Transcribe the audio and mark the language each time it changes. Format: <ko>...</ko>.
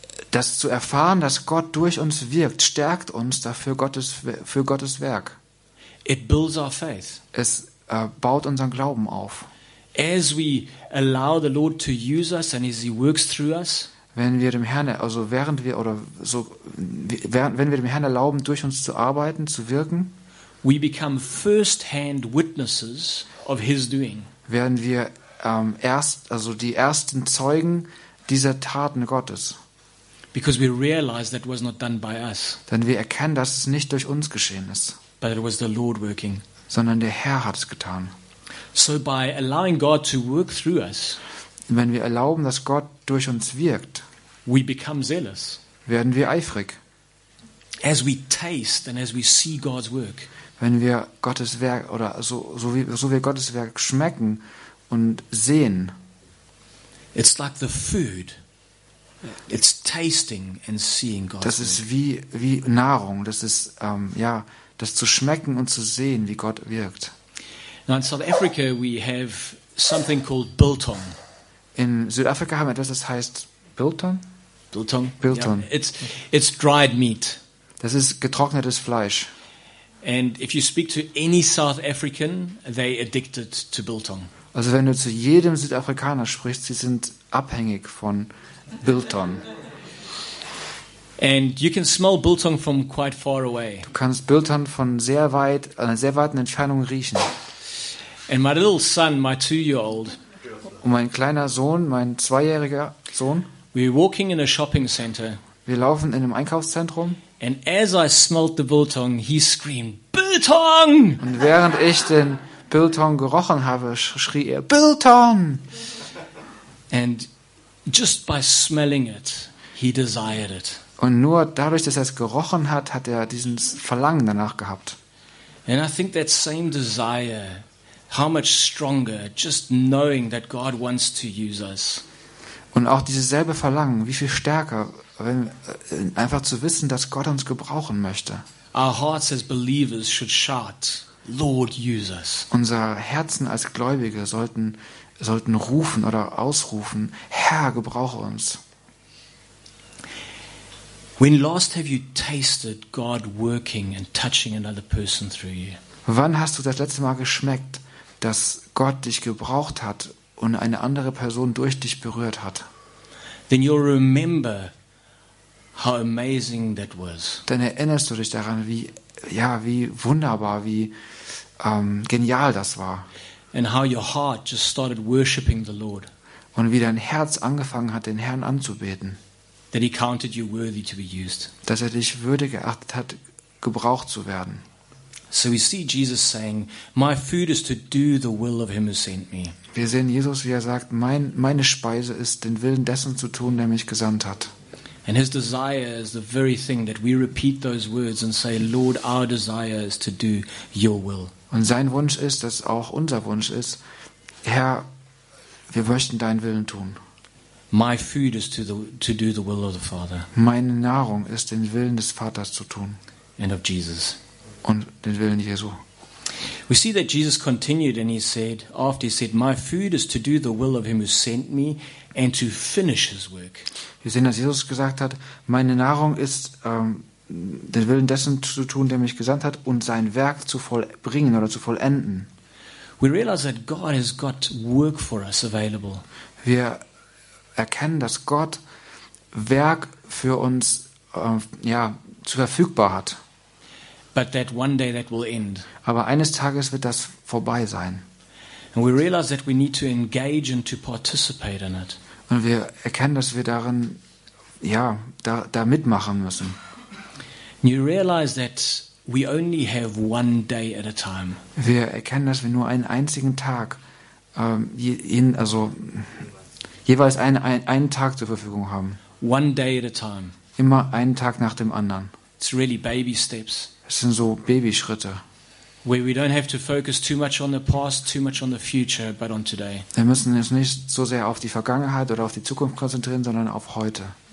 <de>Das zu erfahren, dass Gott durch uns wirkt, stärkt uns dafür für Gottes Werk.</de> <en>It builds our faith.</en> <de>Es baut unseren Glauben auf.</de> <en>As we allow the Lord to use us and as he works through us,</en> <de>wenn wir dem Herrn erlauben, durch uns zu arbeiten, zu wirken,</de> <en>we become first-hand witnesses of his doing.</en> <de>Werden wir die ersten Zeugen dieser Taten Gottes.</de> <en>Because we realize that was not done by us.</en> <de>Denn wir erkennen, dass es nicht durch uns geschehen ist.</de> <en>But it was the Lord working.</en> <de>Sondern der Herr hat es getan.</de> <en>So by allowing God to work through us,</en> <de>wenn wir erlauben, dass Gott durch uns wirkt,</de> <en>we become zealous.</en> <de>Werden wir eifrig.</de> <en>As we taste and as we see God's work.</en> <de>Wenn wir Gottes Werk oder so wir Gottes Werk schmecken und sehen,</de> <en>it's like the food It's tasting and seeing God.</en> <de>Das ist wie Nahrung. Das ist das zu schmecken und zu sehen, wie Gott wirkt.</de> <en>Now in South Africa we have something called biltong.</en> <de>In Südafrika haben wir etwas, das heißt biltong.</de> <en>Biltong.</en> <de>Biltong.</de> <en>Yeah. It's dried meat.</en> <de>Das ist getrocknetes Fleisch.</de> <en>And if you speak to any South African, they addicted to biltong.</en> <de>Also wenn du zu jedem Südafrikaner sprichst, sie sind abhängig von biltong.</de> <en>And you can smell biltong from quite far away.</en> <de>Du kannst biltong von einer sehr weiten Entfernung riechen.</de> <en>And my little son, my 2-year-old.</en> <de>Und mein kleiner Sohn, mein 2-jähriger Sohn.</de> <en>We're walking in a shopping center.</en> <de>Wir laufen in einem Einkaufszentrum.</de> <en>And as I smelled the biltong, he screamed, "Biltong!"</en> <de>Und während ich den biltong gerochen habe, schrie er, "Biltong!"</de> <en>And just by smelling it, he desired it.</en> <de>Und nur dadurch, dass er es gerochen hat, hat er diesen Verlangen danach gehabt.</de> <en>And I think that same desire, how much stronger, just knowing that God wants to use us.</en> <de>Und auch dieses selbe Verlangen, wie viel stärker, einfach zu wissen, dass Gott uns gebrauchen möchte.</de> <en>Our hearts as believers should shout, "Lord, use us."</en> <de>Unsere Herzen als Gläubige sollten rufen oder ausrufen, Herr, gebrauche uns.</de> <en>When last have you tasted God working and touching another person through you?</en> <de>Wann hast du das letzte Mal geschmeckt, dass Gott dich gebraucht hat und eine andere Person durch dich berührt hat?</de> <en>Then you'll remember how amazing that was.</en> <de>Dann erinnerst du dich daran, wie wunderbar, wie genial das war.</de> <en>And how your heart just started worshiping the Lord.</en> <de>Und wie dein Herz angefangen hat, den Herrn anzubeten.</de> <en>That he counted you worthy to be used.</en> <de>Dass er dich würdig geachtet hat, gebraucht zu werden.</de> <en>So we see Jesus saying, "My food is to do the will of him who sent me."</en> <de>Wir sehen Jesus, wie er sagt, meine Speise ist, den Willen dessen zu tun, der mich gesandt hat.</de> <en>And his desire is the very thing that we repeat those words and say, "Lord, our desire is to do your will."</en> <de>Und sein Wunsch ist, dass auch unser Wunsch ist, Herr, wir möchten deinen Willen tun.</de> <en>My food is to do the will of the Father.</en> <de>Meine Nahrung ist, den Willen des Vaters zu tun.</de> <en>And of Jesus.</en> <de>Und den Willen Jesu.</de> <en>We see that Jesus continued and he said, "My food is to do the will of him who sent me and to finish his work."</en> <de>Wir sehen, dass Jesus gesagt hat, meine Nahrung ist, den Willen dessen zu tun, der mich gesandt hat, und sein Werk zu vollbringen oder zu vollenden.</de> <en>We realize that God has got work for us available.</en> <de>Wir erkennen, dass Gott Werk für uns zu verfügbar hat.</de> <en>But that one day that will end.</en> <de>Aber eines Tages wird das vorbei sein.</de> <en>And we realize that we need to engage and to participate in it.</en> <de>Und wir erkennen, dass wir darin da mitmachen müssen.</de> <en>And you realize that we only have one day at a time.</en> <de>Wir erkennen, dass wir nur einen einzigen Tag jeweils einen Tag zur Verfügung haben.</de> <en>One day at a time.</en> <de>Immer einen Tag nach dem anderen.</de> <en>It's really baby steps.</en> <de>Es sind so Babyschritte.</de> <en>Where we don't have to focus too much on the past, too much on the future, but on today.</en> <de>Wir müssen uns nicht so sehr auf die Vergangenheit oder auf die Zukunft konzentrieren, sondern auf heute.</de>